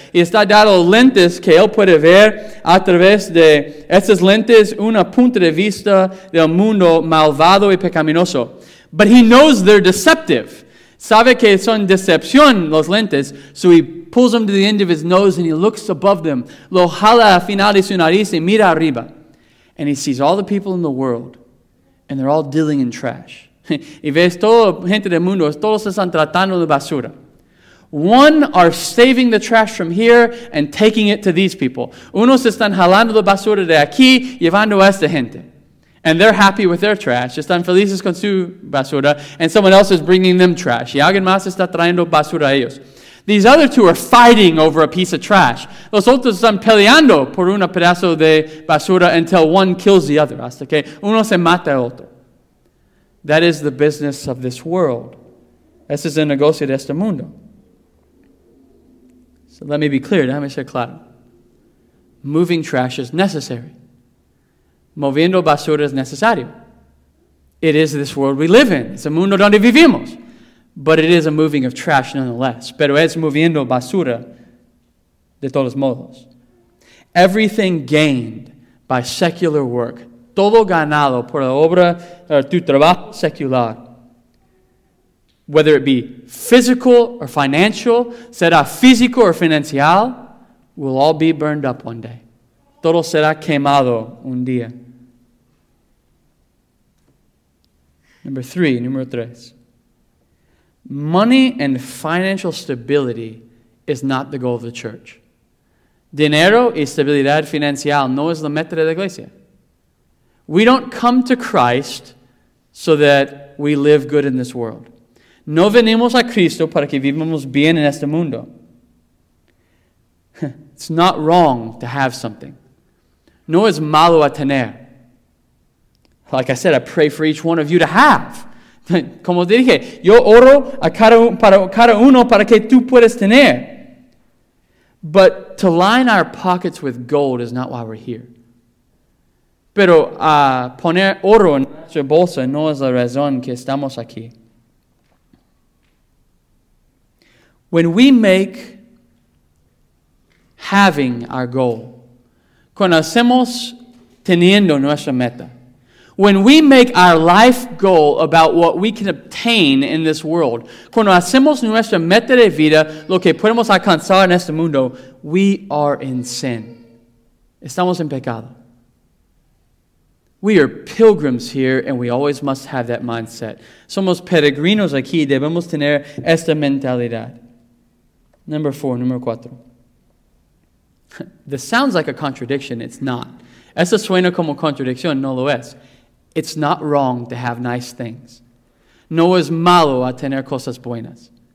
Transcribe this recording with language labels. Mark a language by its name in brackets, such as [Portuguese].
[Spanish] Y está dado lentes que él puede ver a través de esas lentes una punta de vista del mundo malvado y pecaminoso. [English] But he knows they're deceptive. [Spanish] Sabe que son decepción los lentes, [English] so he pulls them to the end of his nose and he looks above them. [Spanish] Lo jala al final de su nariz y mira arriba. [English] And he sees all the people in the world and they're all dealing in trash. [Spanish] Y ves toda la gente del mundo, todos están tratando de basura. [English] One are saving the trash from here and taking it to these people. [Spanish] Unos están jalando la basura de aquí, llevando a esta gente. [English] And they're happy with their trash. [Spanish] Están felices con su basura. [English] And someone else is bringing them trash. [Spanish] Y alguien más está trayendo basura a ellos. [English] These other two are fighting over a piece of trash. [Spanish] Los otros están peleando por un pedazo de basura [English] until one kills the other. [Spanish] Hasta que uno se mata al otro. [English] That is the business of this world. [Spanish] Ese es el negocio de este mundo. [English] So let me be clear, [Spanish] déjame ser claro. [English] Moving trash is necessary. [Spanish] Moviendo basura es necesario. [English] It is this world we live in. It's a [Spanish] mundo donde vivimos. [English] But it is a moving of trash nonetheless. [Spanish] Pero es moviendo basura de todos modos. [English] Everything gained by secular work, [Spanish] todo ganado por la obra, tu trabajo secular, [English] whether it be physical or financial, [Spanish] será físico [English] or financial, will all be burned up one day. [Spanish] Todo será quemado un día. Número tres. [English] Money and financial stability is not the goal of the church. [Spanish] Dinero y estabilidad financiera no es la meta de la iglesia. [English] We don't come to Christ so that we live good in this world. [Spanish] No venimos a Cristo para que vivamos bien en este mundo. [English] It's not wrong to have something. [Spanish] No es malo a tener. [English] Like I said, I pray for each one of you to have. [Spanish] Como dije, yo oro a cada uno para que tú puedas tener. [English] But to line our pockets with gold is not why we're here. [Spanish] Pero poner oro en nuestra bolsa no es la razón que estamos aquí. [English] When we make having our goal, [Spanish] cuando hacemos teniendo nuestra meta, [English] when we make our life goal about what we can obtain in this world, [Spanish] cuando hacemos nuestra meta de vida, lo que podemos alcanzar en este mundo, [English] we are in sin. [Spanish] Estamos en pecado. [English] We are pilgrims here, and we always must have that mindset. [Spanish] Somos peregrinos aquí, debemos tener esta mentalidad. Número cuatro. [English] This sounds like a contradiction. It's not. [Spanish] Eso suena como contradicción. No lo es. [English] It's not wrong to have nice things. [Spanish] No es malo a tener cosas buenas.